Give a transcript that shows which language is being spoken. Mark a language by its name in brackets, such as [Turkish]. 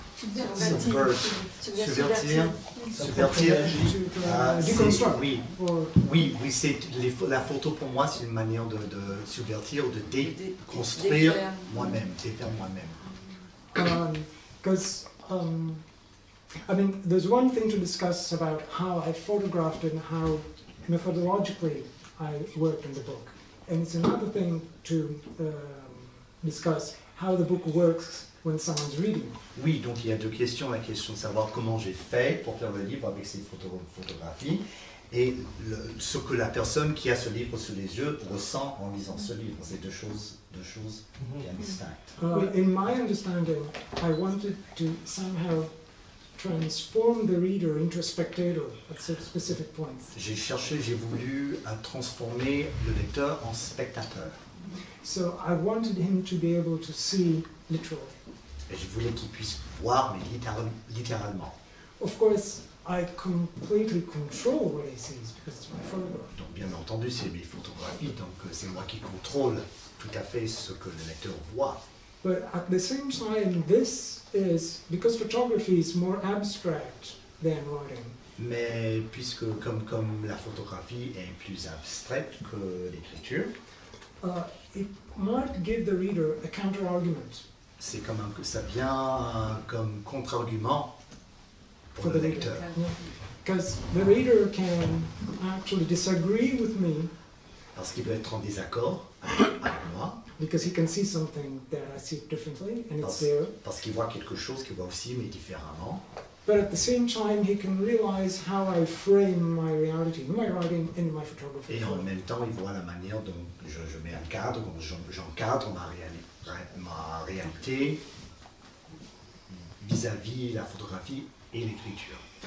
[French] Subvertir, c'est la photo pour moi, c'est une manière de subvertir, de déconstruire moi-même, défaire moi-même. [English] I mean, there's one thing to discuss about how I photographed and how methodologically I worked in the book, and it's another thing to discuss how the book works. When someone's reading. [French] Oui, donc il y a deux questions. La question de savoir comment j'ai fait pour faire le livre avec ces photographies et ce que la personne qui a ce livre sous les yeux ressent en lisant ce livre. C'est deux choses bien distinctes. [English] In my understanding, I wanted to somehow transform the reader into a spectator at some specific points. [French] J'ai voulu transformer le lecteur en spectateur. [English] So I wanted him to be able to see literally. [French] Et je voulais qu'il puisse voir, mais littéralement. [English] Of course, I completely control what he sees because it's my photograph. [French] Donc, bien entendu, c'est mes photographies, donc c'est moi qui contrôle tout à fait ce que le lecteur voit. [English] But at the same time, this is because photography is more abstract than writing. [French] Mais puisque comme la photographie est plus abstraite que l'écriture, [English] it might give the reader a counter-argument. [French] C'est comme que ça vient comme contre-argument pour le lecteur. [English] Because the reader can actually disagree with me. [French] Parce qu'il peut être en désaccord avec moi. [English] Because he can see something that I see differently and it's there. [French] Parce qu'il voit quelque chose qu'il voit aussi mais différemment. [English] But at the same time, he can realize how I frame my reality, my writing, and my photography. [French] Et en même temps, il voit la manière dont je mets un cadre, dont j'encadre ma réalité. Ma réalité vis-à-vis la photographie et l'écriture.